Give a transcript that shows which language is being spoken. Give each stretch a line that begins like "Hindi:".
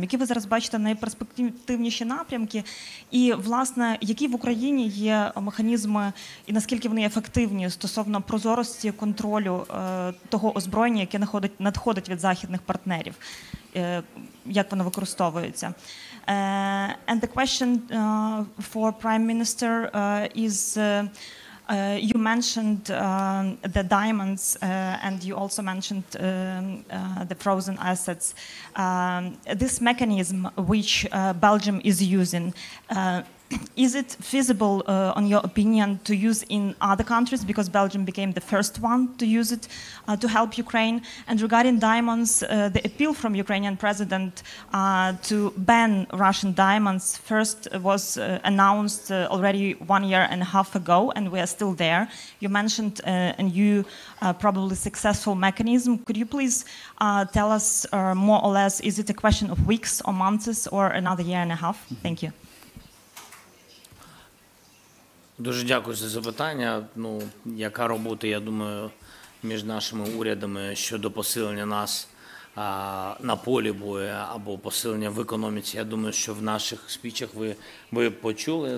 Ukrainian: Які ви зараз бачите найперспективніші напрямки? І, власне, які в Україні є механізми і наскільки вони ефективні стосовно прозорості, контролю того озброєння, яке надходить від західних партнерів? Як воно використовується.
English: And the question for Prime Minister is you mentioned the diamonds and you also mentioned the frozen assets. This mechanism which Belgium is using, is it feasible, on your opinion, to use in other countries, because Belgium became the first one to use it to help Ukraine? And regarding diamonds, the appeal from Ukrainian president to ban Russian diamonds first was announced already 1 year and a half ago, and we are still there. You mentioned a new, probably successful mechanism. Could you please tell us more or less, is it a question of weeks or months or another year and a half? Thank you.
Ukrainian: Дуже дякую за запитання. Ну, яка робота, я думаю, між нашими урядами щодо посилення нас на полі бою або посилення в економіці. Я думаю, що в наших спічах ви почули.